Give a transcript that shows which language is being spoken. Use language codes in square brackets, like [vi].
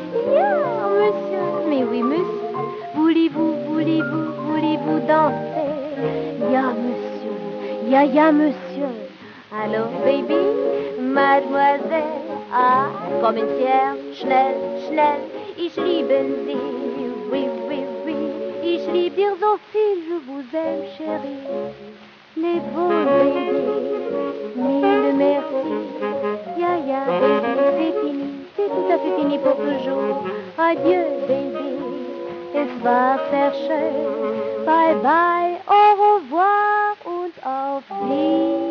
[fr] Yeah, monsieur, mais oui, monsieur. Voulez-vous danser? Ya, monsieur, ya, ya, monsieur. Allô, baby, mademoiselle. Ah, comme une pierre, [de] schnell, schnell. Ich liebe sie, [fr] oui, oui, oui. [de] Ich liebe ihr so viel, [fr] je vous aime, chérie. Les beaux baby, mille merci. Ya, ya, baby, c'est fini, c'est tout à fait fini pour toujours. Adieu, baby. Va faire chier. Bye bye, au revoir [de] und auf Wiedersehen.